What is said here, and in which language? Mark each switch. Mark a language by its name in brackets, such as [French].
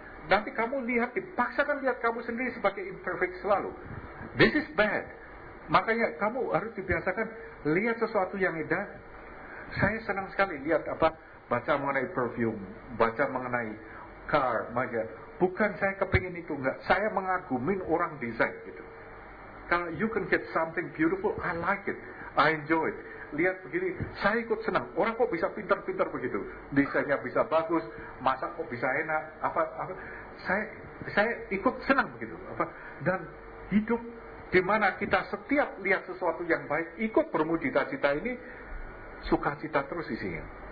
[Indonesian] Nanti kamu lihat dipaksakan lihat kamu sendiri sebagai imperfect selalu. [English] This is bad. [Indonesian] Makanya kamu harus dibiasakan lihat sesuatu yang indah. Saya senang sekali lihat apa baca mengenai perfume, baca mengenai car, maja. Bukan saya kepingin itu, enggak. Saya mengagumin orang desain gitu. Kalau [English] you can get something beautiful, I like it, I enjoy it. [Indonesian] Lihat begini, saya ikut senang. Orang kok bisa pintar-pintar begitu? Desainnya bisa bagus, masak kok bisa enak? Apa? Saya ikut senang begitu. Apa? Dan hidup di mana kita setiap lihat sesuatu yang baik, ikut bermudita-cita ini, sukacita terus isinya.